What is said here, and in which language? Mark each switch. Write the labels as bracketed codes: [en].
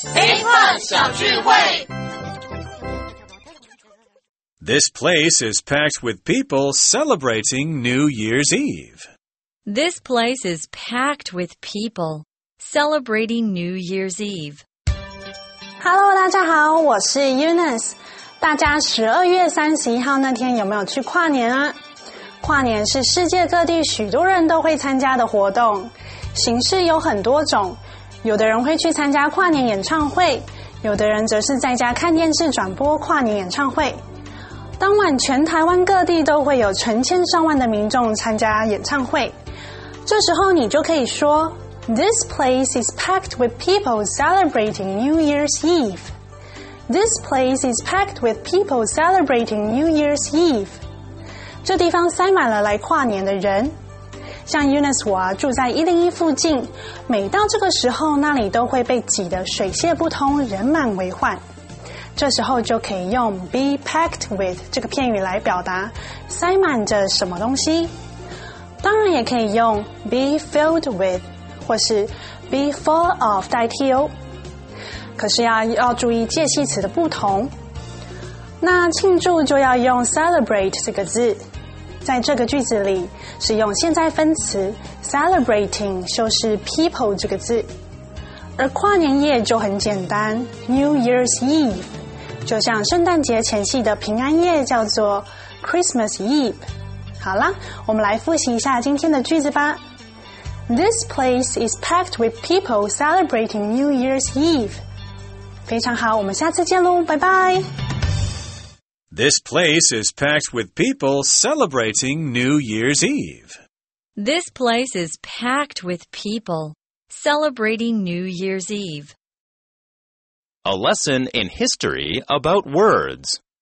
[zh] A Plus, 小聚会。 [en] This place is packed with people celebrating New Year's Eve. This place is packed with people celebrating New Year's Eve. [zh] Hello, 大家好，我是 Eunice。大家12月31号那天有没有去跨年啊？跨年是世界各地许多人都会参加的活动，形式有很多种，有的人会去参加跨年演唱会，有的人则是在家看电视转播跨年演唱会。当晚全台湾各地都会有成千上万的民众参加演唱会，这时候你就可以说 [en] This place is packed with people celebrating New Year's Eve. This place is packed with people celebrating New Year's Eve. [zh] 这地方塞满了来跨年的人。像 Eunice 我、啊、住在101附近，每到这个时候那里都会被挤得水泄不通，人满为患。这时候就可以用 [en] be packed with [zh] 这个片语来表达塞满着什么东西。当然也可以用 [en] be filled with [zh] 或是 [en] be full of [zh] 代替哦。可是 要注意介系词的不同。那庆祝就要用 celebrate 这个字。在这个句子里使用现在分词 celebrating 修饰 people 这个字，而跨年夜就很简单 New Year's Eve， 就像圣诞节前夕的平安夜叫做 Christmas Eve。好啦，我们来复习一下今天的句子吧。 [en] This place is packed with people celebrating New Year's Eve。 [zh] 非常好，我们下次见咯，拜拜。 [en] This place is packed with people celebrating New Year's Eve. This place is packed with people celebrating New Year's Eve. A lesson in history about words.